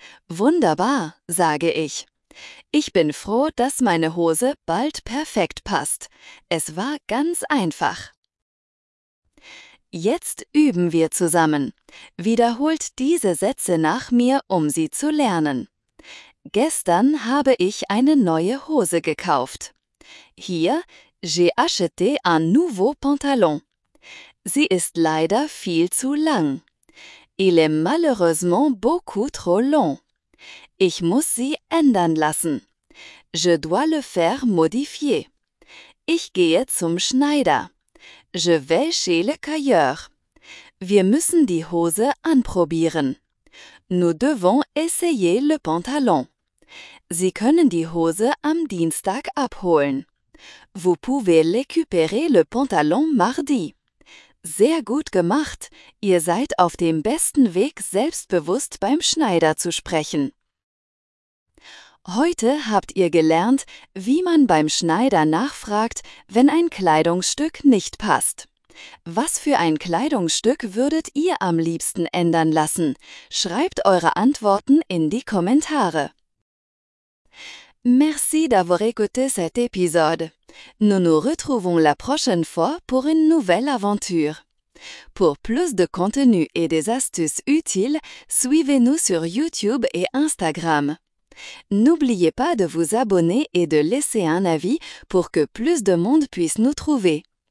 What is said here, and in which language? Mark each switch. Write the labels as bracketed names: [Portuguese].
[German] Wunderbar, sage ich. Ich bin froh, dass meine Hose bald perfekt passt. Es war ganz einfach. Jetzt üben wir zusammen. Wiederholt diese Sätze nach mir, um sie zu lernen. Gestern habe ich eine neue Hose gekauft. [French] Hier, j'ai acheté un nouveau pantalon. [German] Sie ist leider viel zu lang. [French] Il est malheureusement beaucoup trop long. [German] Ich muss sie ändern lassen. [French] Je dois le faire modifier. [German] Ich gehe zum Schneider. [French] Je vais chez le tailleur. [German] Wir müssen die Hose anprobieren. [French] Nous devons essayer le pantalon. [German] Sie können die Hose am Dienstag abholen. [French] Vous pouvez récupérer le pantalon mardi. [German] Sehr gut gemacht. Ihr seid auf dem besten Weg, selbstbewusst beim Schneider zu sprechen. Heute habt ihr gelernt, wie man beim Schneider nachfragt, wenn ein Kleidungsstück nicht passt. Was für ein Kleidungsstück würdet ihr am liebsten ändern lassen? Schreibt eure Antworten in die Kommentare. [French] Merci d'avoir écouté cet épisode. Nous nous retrouvons la prochaine fois pour une nouvelle aventure. Pour plus de contenu et des astuces utiles, suivez-nous sur YouTube et Instagram. N'oubliez pas de vous abonner et de laisser un avis pour que plus de monde puisse nous trouver.